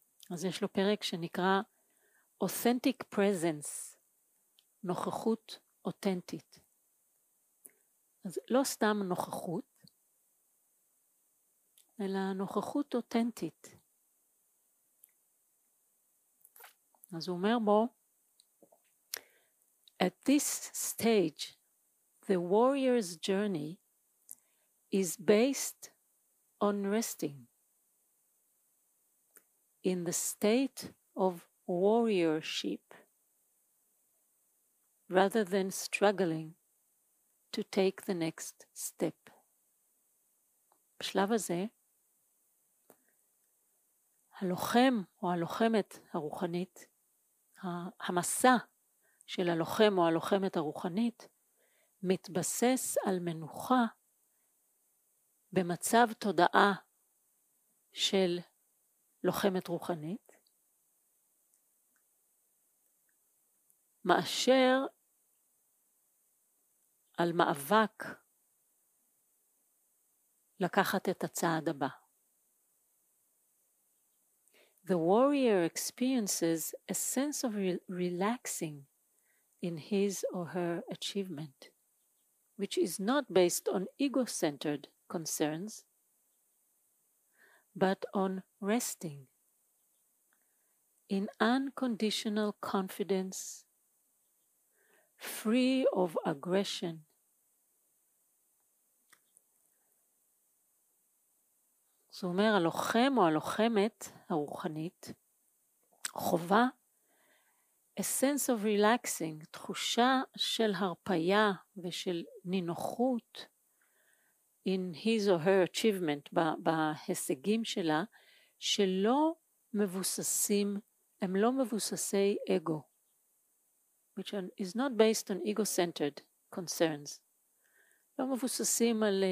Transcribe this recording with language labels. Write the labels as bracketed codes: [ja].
[he] אז יש לו פרק שנקרא Authentic Presence, נוכחות אותנטית. אז לא סתם נוכחות, אלא נוכחות אותנטית. אז הוא אומר בו, [en] At this stage, the warrior's journey is based on resting in the state of warriorship rather than struggling to take the next step. [he] בשלב הזה, הלוחם או הלוחמת הרוחנית, המסע של הלוחם או הלוחמת הרוחנית, מתבסס על מנוחה במצב תודעה של לוחמת רוחנית, מאשר על מאבק לקחת את הצעד הבא. [en] The warrior experiences a sense of relaxing in his or her achievement, which is not based on ego-centered concerns, but on resting in unconditional confidence, free of aggression. [he] זה אומר, הלוחם או הלוחמת הרוחנית חובה [en] a sense of relaxing, [he] תחושה של הרפיה ושל נינוחות [en] in his or her achievement, [he] בהישגים שלה, שלא מבוססים, הם לא מבוססי אגו, [en] which is not based on ego-centered concerns, [he] לא מבוססים